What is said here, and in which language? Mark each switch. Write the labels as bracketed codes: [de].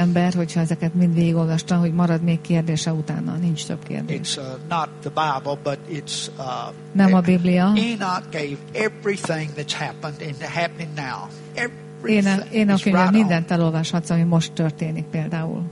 [hu] Az ember, hogyha ezeket mind végigolvastam, hogy marad még kérdése utána. Nincs több kérdés. [en] It's, not the Bible, but it's, [hu] nem a Biblia. [en] Enoch gave everything that's happened and happening now. [hu] Enoch könyve mindent elolvashatsz, ami most történik például.